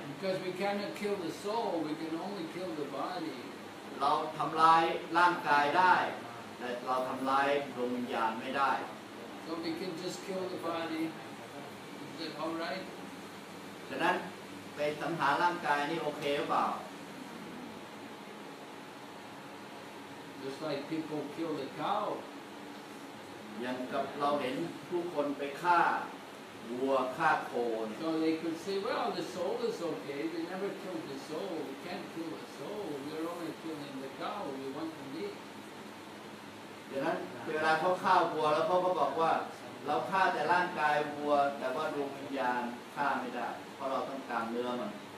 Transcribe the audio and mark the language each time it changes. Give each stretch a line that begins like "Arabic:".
English: Because we cannot kill the soul, we can only kill the body.
Thai: เราทำลายร่างกายได้แต่เราทำลายดวงวิญญาณไม่ได้
English: So we can just kill the body. Is it all right?
Thai: ฉะนั้นไปสังหารร่างกายนี่โอเคเปล่า
English: Just like people kill the cow.
Thai: ยังกับเราเห็นผู้คนไปฆ่าวัวฆ่าโค
English: น So they could say, well, the soul is okay. They never killed the soul. We can't kill the soul. We're only killing the cow. We want to eat.
Thai: ดังนั้นเวลาเขาฆ่าวัวแล้วเขาก็บอกว่าเราฆ่าแต่ร่างกายวัวแต่ว่าดวงวิญญาณฆ่าไม่ได้เพราะเราต้องการเนื้อมัน